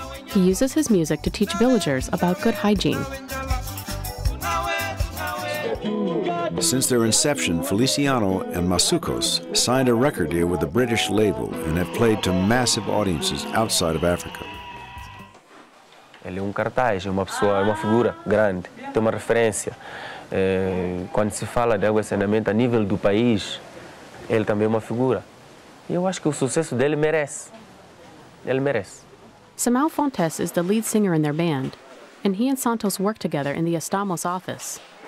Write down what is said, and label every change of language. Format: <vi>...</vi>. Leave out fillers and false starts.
<en>He uses his music to teach villagers about good hygiene. Since their inception, Feliciano and Massukos signed a record deal with a British label and have played to massive audiences outside of Africa.</en> <pt>Ele é cartaz, é uma figura grande, tem uma referência. Quando se fala de água e saneamento a nível do país, ele também é uma figura. E eu acho que o sucesso dele merece. Ele merece.</pt> <en>Samuel Fontes is the lead singer in their band, and he and Santos work together in the Estamos office.</en>